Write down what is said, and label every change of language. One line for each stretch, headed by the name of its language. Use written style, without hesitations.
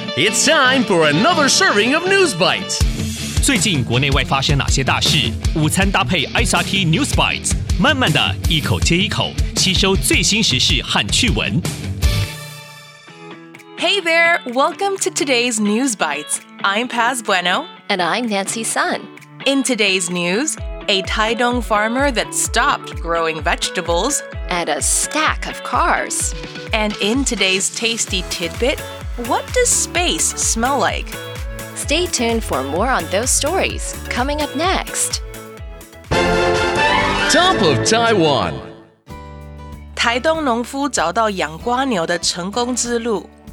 English: It's time for another serving of News Bites.
Chinese: 最近国内外发生哪些大事？午餐搭配 SRT News Bites， 慢慢的一口接一口，吸收最新时事和趣闻。
English: Hey there, welcome to today's News Bites. I'm Paz Bueno. And I'm Nancy Sun. In today's news, a Taitung farmer that stopped growing vegetables. And a stack of cars. And in today's Tasty Tidbit, what does space smell like? Stay tuned for more on those stories, coming up next. Top of Taiwan.
Chinese: 台东农夫找到养蝸牛的成功之路。